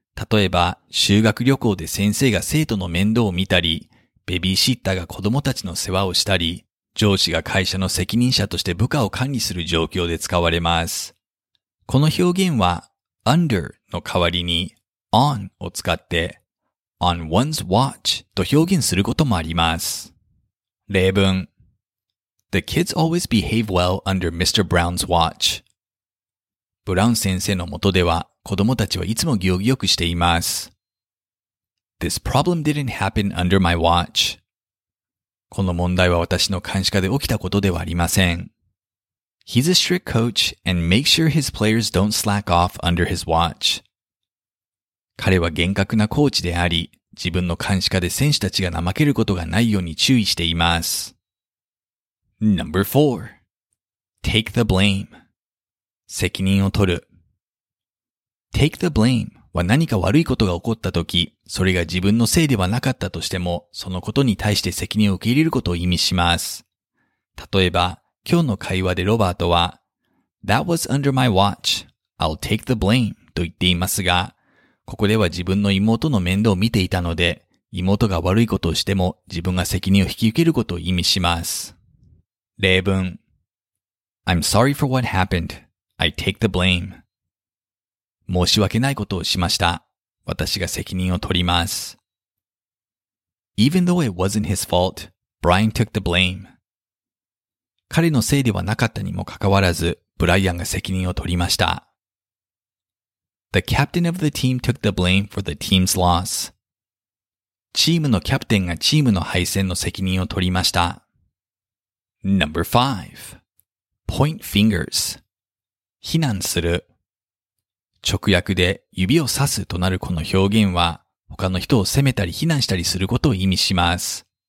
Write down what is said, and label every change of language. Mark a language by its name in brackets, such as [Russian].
[Japanese] 例えば、修学旅行で先生が生徒の面倒を見たり、ベビーシッターが子供たちの世話をしたり、上司が会社の責任者として部下を管理する状況で使われます。この表現は、under の代わりに、on を使って、 [English] on one's watch [Japanese] と表現することもあります。 [English] 例文The kids always behave well under Mr. Brown's watch. [Japanese] ブラウン先生の下では子供たちはいつも行儀よくしています。 [English] This problem didn't happen under my watch. [Japanese] この問題は私の監視下で起きたことではありません。 [English] He's a strict coach and makes sure his players don't slack off under his watch. [Japanese] 彼は厳格なコーチであり、自分の監視下で選手たちが怠けることがないように注意しています。 [English] Number 4. Take the blame. [Japanese] 責任を取る。 [English] Take the blame [Japanese] は何か悪いことが起こったとき、それが自分のせいではなかったとしても、そのことに対して責任を受け入れることを意味します。例えば、今日の会話でロバートは、 [English] That was under my watch. I'll take the blame [Japanese] と言っていますが、ここでは自分の妹の面倒を見ていたので、妹が悪いことをしても自分が責任を引き受けることを意味します。 [English] 例文 I'm sorry for what happened. I take the blame. [Japanese] 申し訳ないことをしました。私が責任を取ります。 [English] Even though it wasn't his fault, Brian took the blame. [Japanese] 彼のせいではなかったにもかかわらず、ブライアンが責任を取りました。 [English] The captain of the team took the blame for the team's loss. [Japanese] チームのキャプテンがチームの敗戦の責任を取りました。 [English] Number 5. Point fingers. [Japanese] 非難する。直訳で指を指すとなるこの表現は、他の人を責めたり非難したりすることを意味します。